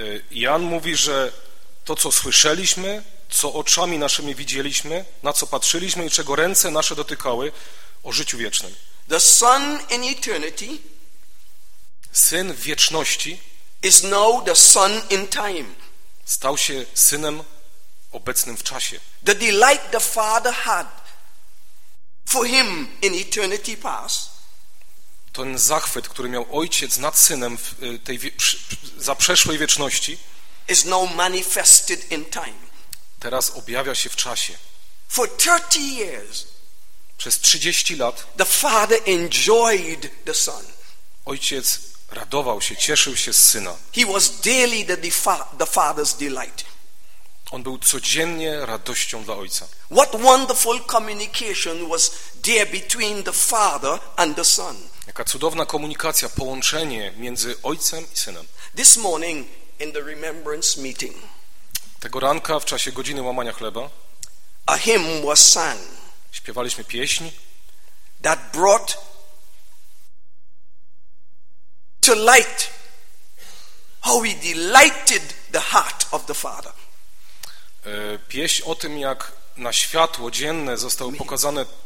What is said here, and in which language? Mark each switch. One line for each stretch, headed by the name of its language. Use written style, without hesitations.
Polish: Jan mówi, że to, co słyszeliśmy, co oczami naszymi widzieliśmy, na co patrzyliśmy i czego ręce nasze dotykały, o życiu wiecznym.
English: The Son in eternity,
Polish: Syn wieczności,
English: is now the Son in time.
Polish: Stał się Synem obecnym w czasie.
English: The delight the Father had for him in eternity past.
Polish: Ten zachwyt, który miał Ojciec nad Synem w tej za przeszłej wieczności,
English: is now manifested in time.
Polish: Teraz objawia się w czasie.
English: For 30 years,
Polish: przez 30 lat
English: the Father enjoyed the Son.
Polish: Ojciec radował się, cieszył się z Syna.
English: He was daily the Father's delight.
Polish: On był codziennie radością dla Ojca.
English: What wonderful communication was there between the Father and the Son.
Polish: Jaka cudowna komunikacja, połączenie między Ojcem i Synem.
English: This morning in the remembrance meeting,
Polish: tego ranka w czasie godziny łamania chleba,
English: a hymn was sung,
Polish: śpiewaliśmy pieśń,
English: that brought to light how we delighted the heart of the Father.
Polish: Pieśń o tym, jak na światło dzienne zostały pokazane.